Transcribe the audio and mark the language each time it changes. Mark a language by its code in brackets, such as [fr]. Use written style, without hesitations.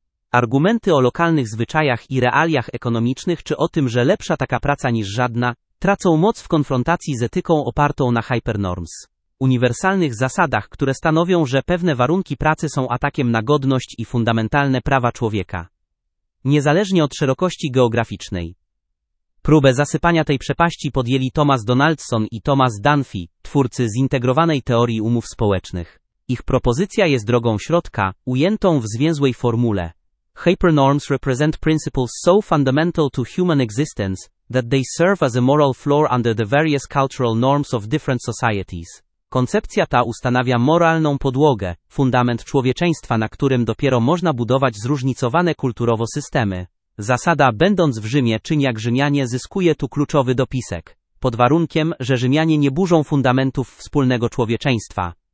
[pl] Argumenty o lokalnych zwyczajach i realiach ekonomicznych, czy o tym, że lepsza taka praca niż żadna, tracą moc w konfrontacji z etyką opartą na hypernorms, uniwersalnych zasadach, które stanowią, że pewne warunki pracy są atakiem na godność i fundamentalne prawa człowieka. niezależnie od szerokości geograficznej. Próbę zasypania tej przepaści podjęli Thomas Donaldson i Thomas Dunphy, twórcy zintegrowanej teorii umów społecznych. Ich propozycja jest drogą środka, ujętą w zwięzłej formule. [en] Hypernorms represent principles so fundamental to human existence, that they serve as a moral floor under the various cultural norms of different societies. [pl] Koncepcja ta ustanawia moralną podłogę, fundament człowieczeństwa, na którym dopiero można budować zróżnicowane kulturowo systemy. Zasada będąc w Rzymie czyń jak Rzymianie zyskuje tu kluczowy dopisek, pod warunkiem, że Rzymianie nie burzą fundamentów wspólnego człowieczeństwa.